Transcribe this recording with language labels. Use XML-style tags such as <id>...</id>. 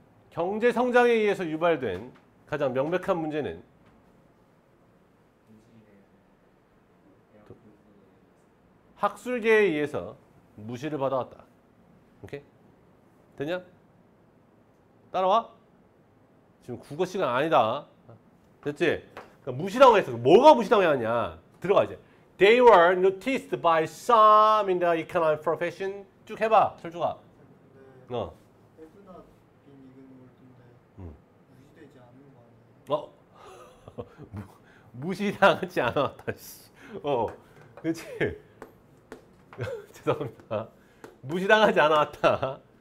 <ko>경제 성장에 의해서 유발된 가장 명백한 문제는 학술계에 의해서 무시를 받아왔다. 오케이? 되냐? 따라와? 지금 국어 시간 아니다. 됐지? 그러니까 무시라고 했어. 뭐가 무시라고 했냐? 들어가 이제.</ko> <en>They were noticed by some in the economic profession.</en> <ko>쭉 해봐, 철주가. 네, 어. 에브나 빈 무시되지 않는 거 아니야? 어? 무시당하지 않았다. 씨. 어, 그렇지? 죄송합니다. 무시당하지 않았다.</ko>